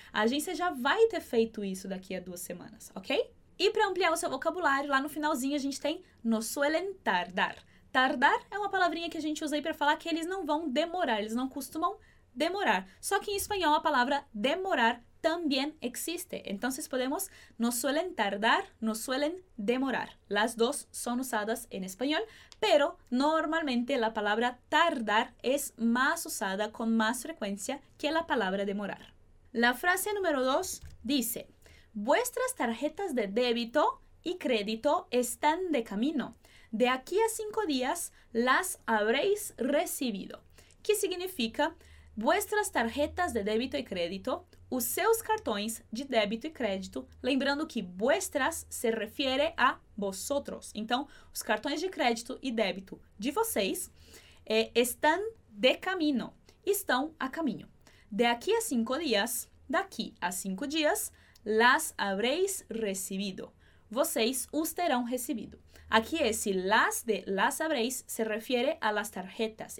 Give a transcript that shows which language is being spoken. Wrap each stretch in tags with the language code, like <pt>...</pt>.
<pt>A agência já vai ter feito isso daqui a 2 semanas, ok? E para ampliar o seu vocabulário, lá no finalzinho a gente tem</pt> <es>no suelen tardar.</es> <pt>Tardar é uma palavrinha que a gente usa aí para falar que eles não vão demorar, eles não costumam demorar. Só que em espanhol a palavra demorar também existe. Então, podemos</pt> <es>nos suelen tardar, nos suelen demorar. Las dos son usadas en español, pero normalmente la palabra tardar es más usada con más frecuencia que la palabra demorar. La frase número 2 dice: vuestras tarjetas de débito y crédito están de camino. De aquí a 5 días las habréis recibido. ¿Qué significa? Vuestras tarjetas de débito y crédito,</es> <pt>os seus cartões de débito e crédito, lembrando que vuestras se refere a vosotros. Então, os cartões de crédito e débito de vocês</pt> <es>están de camino,</es> <pt>estão a caminho. De aqui a 5 dias, daqui a 5 dias,</pt> <es>las habréis recibido.</es> <pt>Vocês os terão recebido. Aqui esse las de</pt> <es>las habréis</es> <pt>se refere a las tarjetas.</pt>